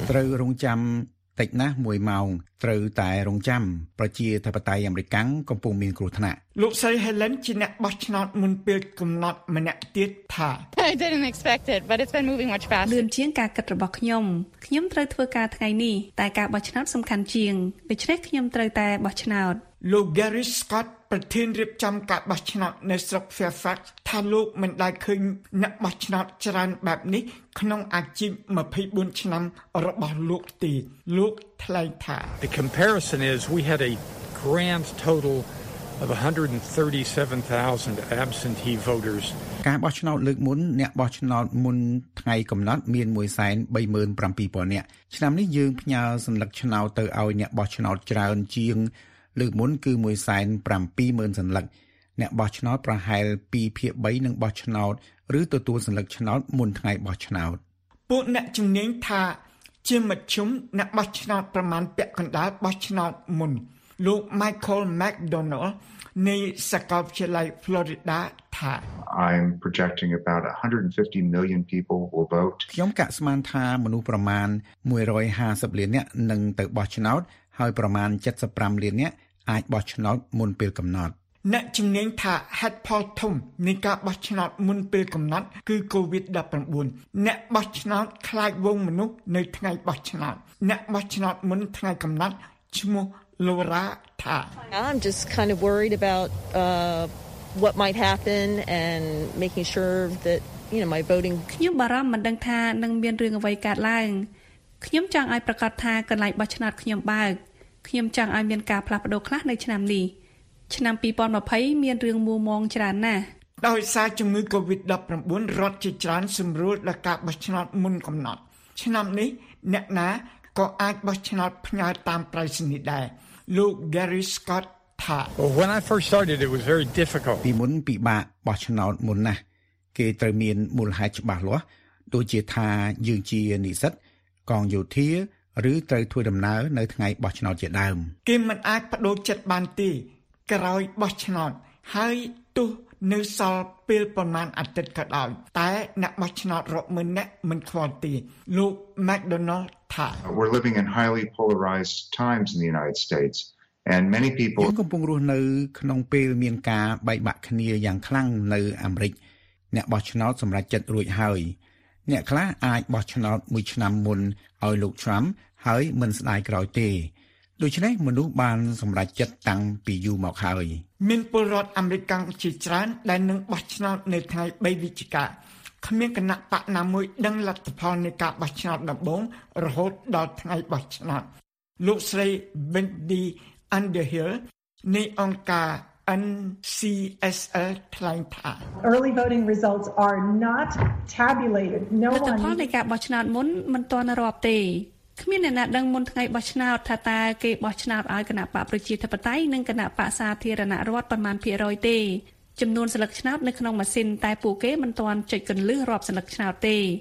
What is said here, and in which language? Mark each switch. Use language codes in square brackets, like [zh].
[km] ត្រូវរងចាំតិចណាស់1ម៉ោងត្រូវតែរងចាំប្រជាធិបតេយ្យអាមេរិកកំពុងមានគ្រោះថ្នាក់លោកស្រី Helen ជាអ្នកបោះឆ្នោតមុនពេលកំណត់ម្នាក់ទៀតថា [en] I didn't expect it but it's been moving much faster [km] លឿនជាងការគិតរបស់ខ្ញុំត្រូវធ្វើការថ្ងៃនេះតែការបោះឆ្នោតសំខាន់ជាងដូច្នេះខ្ញុំត្រូវតែបោះឆ្នោត លោក Gary Scott ប្រធានរៀបចំការបោះឆ្នោតនៅស្រុក Fairfax ថាលោកមិនដែលឃើញអ្នកបោះឆ្នោតច្រើនបែបនេះក្នុងអាជីព24ឆ្នាំរបស់លោកទេលោកថ្លែងថា [en] The comparison is we had a grand total of 137,000 absentee voters [km] ការបោះឆ្នោតលើកមុនអ្នកបោះឆ្នោតមុនថ្ងៃកំណត់មាន 137,000 នាក់ឆ្នាំនេះយើងផ្ញើសញ្ញាឆ្នោតទៅឲ្យអ្នកបោះឆ្នោតច្រើនជាងលើកមុនគឺ 170,000 សញ្ញាអ្នកបោះឆ្នោតប្រហែល 2/3 នឹងបោះឆ្នោតឬទទួលសញ្ញាឆ្នោតមុនថ្ងៃបោះឆ្នោត ពួកអ្នកជំនាញថាជាមជ្ឈមអ្នកបោះឆ្នោតប្រមាណពាក់កណ្ដាលបោះឆ្នោតមុនលោក Michael McDonald នៃសាកលវិទ្យាល័យ Florida ថា [en] I'm projecting about 150 million people will vote [km] ខ្ញុំកាក់ស្មានថាមនុស្សប្រមាណ150លាននាក់នឹងទៅបោះឆ្នោតហើយប្រមាណ75លាននាក់អាចបោះឆ្នោតមុនពេលកំណត់ អ្នកជំនាញថាហេតុផលធំនៃការបោះឆ្នោតមុនពេលកំណត់គឺ COVID-19 អ្នកបោះឆ្នោតខ្លាចវងមនុស្សនៅថ្ងៃបោះឆ្នោតអ្នកបោះឆ្នោតមុនថ្ងៃកំណត់ឈ្មោះ Laura ថា [en] I'm just kind of worried about what might happen and making sure that you know my voting [km] ខ្ញុំបារម្ភមិនដឹងថានឹងមានរឿងអ្វីកើតឡើងខ្ញុំចង់ឲ្យប្រកាសថាកន្លែងបោះឆ្នោតខ្ញុំបើកខ្ញុំចង់ឲ្យមានការផ្លាស់ប្ដូរខ្លះនៅឆ្នាំនេះឆ្នាំ2020មានរឿងមួមងច្រើនណាស់ដោយសារជំងឺ COVID-19 រដ្ឋជាច្រើនសម្រួលដល់ការបោះឆ្នោតមុនកំណត់ឆ្នាំនេះអ្នកណាក៏អាចបោះឆ្នោតផ្ញើតាមប្រិយសិនីដែរ លោក Gary Scott ថា [en] When I first started it was very difficult. [km] ពីមុនពិបាកបោះឆ្នោតមុនណាស់គេត្រូវមានមូលហេតុច្បាស់លាស់ដូចជាថាយើងជានិស្សិតកងយោធាឬត្រូវធ្វើដំណើរនៅថ្ងៃបោះឆ្នោតជាដើម គេមិនអាចបដូរចិត្តបានទេក្រោយបោះឆ្នោតហើយទោះនៅសល់ពេលប្រមាណអាទិត្យក៏ដោយតែអ្នកបោះឆ្នោតរាប់ម៉ឺនអ្នកមិនខ្វល់ទេលោក McDonald ថា [en] We're living in highly polarized times in the United States and many people [km] កំពុងរស់នៅក្នុងពេលមានការបែកបាក់គ្នាយ៉ាងខ្លាំងនៅអាមេរិកអ្នកបោះឆ្នោតសម្រេចចិត្តរួចហើយអ្នកខ្លះអាចបោះឆ្នោតមួយឆ្នាំមុនឲ្យលោក Trump ហើយមិនស្ដាយក្រោយទេដូច្នេះមនុស្សបានសម្រេចចិត្តតាំងពីយូរមកហើយ មានពលរដ្ឋអាមេរិកកាំងជាច្រើនដែលនឹងបោះឆ្នោតនៅថ្ងៃ3វិច្ឆិកាគ្មានគណៈបកណាមួយដឹងលទ្ធផលនៃការបោះឆ្នោតដំបូងរហូតដល់ថ្ងៃបោះឆ្នោតលោកស្រី Wendy Underhill នៃអង្គការ NCSL ថ្លែងថា [en] Early voting results are not tabulated. No [km] one លទ្ធផលនៃការបោះឆ្នោតមុនមិនទាន់រាប់ទេគ្មានអ្នកណាដឹងមុនថ្ងៃបោះឆ្នោតថាតើគេបោះឆ្នោតឲ្យគណៈបកប្រជាធិបតេយ្យនិងគណៈបកសាធារណរដ្ឋប៉ុន្មានភាគរយទេចំនួនស្លឹកឆ្នោតនៅក្នុងម៉ាស៊ីនតែពួកគេមិនទាន់ចុចកន្លឹះរាប់ស្លឹកឆ្នោតទេ